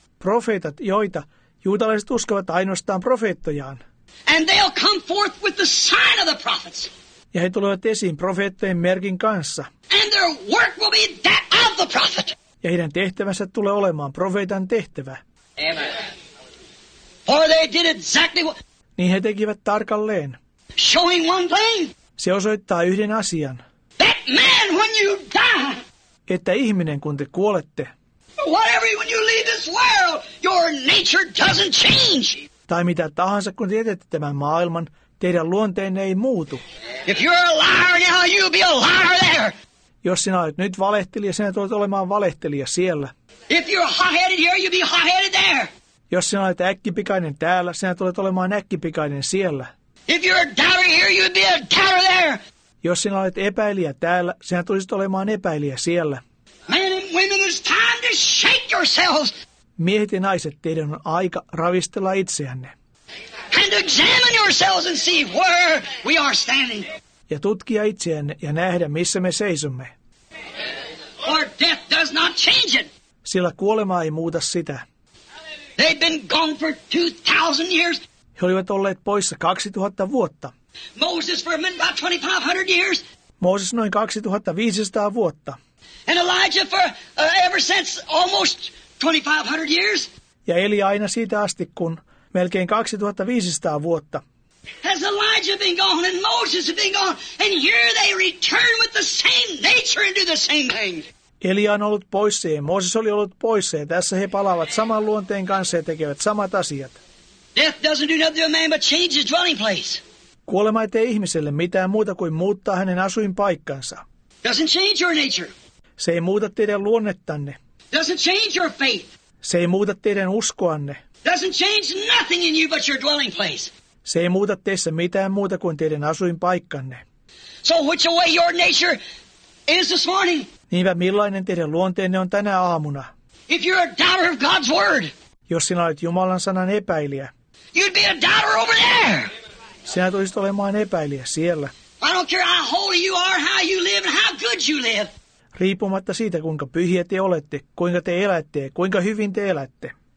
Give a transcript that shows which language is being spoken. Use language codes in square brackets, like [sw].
[fi] Profeetat, joita juutalaiset uskovat ainoastaan profeettojaan. [en] And they'll come forth with the sign of the prophets. [fi] Ja he tulevat esiin profeettojen merkin kanssa. [en] And their work will be that of the prophet. [fi] ja heidän tehtävänsä tulee olemaan profeetan tehtävä. [en] Amen. For they did exactly what... [fi] Niin he tekivät tarkalleen. [en] Showing one thing. [fi] Se osoittaa yhden asian. [en] That man, when you die. [fi] Että ihminen, kun te kuolette, [en] whatever, when you leave this world, your nature doesn't change. [fi] Tai mitä tahansa, kun te jätätte tämän maailman, teidän luonteenne ei muutu. [en] If you're a liar now, you'll be a liar there. [fi] Jos sinä olet nyt valehtelija, sinä tulet olemaan valehtelija siellä. [en] If you're hot-headed here, you'll be hot-headed there. [fi] Jos sinä olet äkkipikainen täällä, sinä tulet olemaan äkkipikainen siellä. [en] If you're a doubter here, you'll be a doubter there. [fi] Jos sinä olet epäilijä täällä, sinä tulisit olemaan epäilijä siellä. [en] Men and women, it's time to shake yourselves. [fi] Miehet ja naiset, teidän on aika ravistella itseänne. [en] And examine yourselves and see where we are standing. [fi] Ja tutkia itseänne ja nähdä, missä me seisomme. [en] For death does not change it. [fi] Sillä kuolema ei muuta sitä. [en] They've been gone for 2,000 years. [fi] He olivat olleet poissa 2,000 vuotta. [en] Moses for men about 2,500 years. [fi] Moses noin 2,500 vuotta. [en] And Elijah for ever since almost 2,500 years. [fi] Ja Elia aina siitä asti, kun melkein 2,500 vuotta. [en] Has Elijah been gone and Moses been gone, and here they return with the same nature and do the same thing. [fi] Elia on ollut poissa ja Mooses oli ollut poissa, ja tässä he palaavat saman luonteen kanssa ja tekevät samat asiat. [en] Death doesn't do nothing to a man but change his dwelling place. [fi] Kuolema ei tee ihmiselle mitään muuta kuin muuttaa hänen asuinpaikkansa. [en] Doesn't change your nature. [fi] Se ei muuta teidän luonnettanne. [en] Doesn't change your faith. [fi] Se ei muuta teidän uskoanne. [en] Doesn't change nothing in you but your dwelling place. [fi] Se ei muuta teissä mitään muuta kuin teidän asuinpaikkanne. [en] So which way your nature is this morning? [fi] Niinpä millainen teidän luonteenne on tänä aamuna? [en] If you're a doubter of God's word. [fi] Jos sinä olet Jumalan sanan epäilijä. [en] You'd be a doubter over there. [fi] Sinä tulisit olemaan epäilijä siellä. [en] I don't care how holy you are, how you live, and how good you live. [fi] Riippumatta siitä, kuinka pyhiä te olette, kuinka te elätte, kuinka hyvin te elätte.